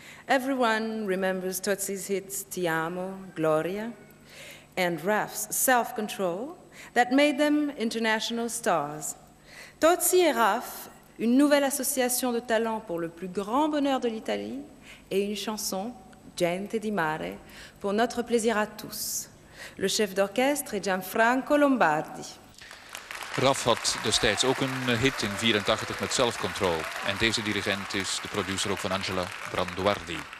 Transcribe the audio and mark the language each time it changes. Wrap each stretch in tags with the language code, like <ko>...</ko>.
<en>Everyone remembers Tozzi's hits Ti Amo, Gloria, and Raf's Self-Control that made them international stars.</en> <fr>Tozzi et Raf, une nouvelle association de talents pour le plus grand bonheur de l'Italie, et une chanson, Gente di Mare, pour notre plaisir à tous. Le chef d'orchestre est Gianfranco Lombardi.</fr> <nl>Raf had destijds ook een hit in 84 met Self-Control. En deze dirigent is de producer ook van Angela Branduardi.</nl>